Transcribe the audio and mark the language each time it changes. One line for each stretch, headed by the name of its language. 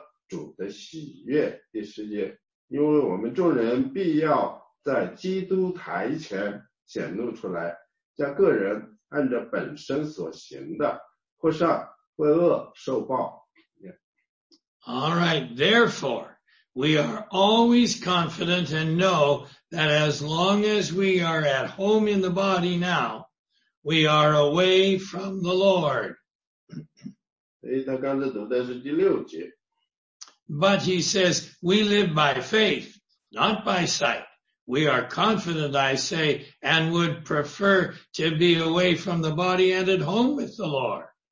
Chinese: 并且晓得我们住在身内，便与主相离。第七节，因为我们行事为人是凭着信心，不是凭着眼见。第八节，我们坦然无惧，更是更愿意离开身体与主同住。第九节，所以无论住在身内，离开身外，我们立了志向，要得主的喜悦。第十节。因为我们众人必要在基督台前显露出来，叫个人按着本身所行的，或善或恶受报。
English: All right, therefore, we are always confident and know that as long as we are at home in the body now, we are away from the Lord.
Chinese: 所以他刚才读的是第六节。
English: But he says, we live by faith, not by sight. We are confident, I say, and would prefer to be away from the body and at home with the Lord.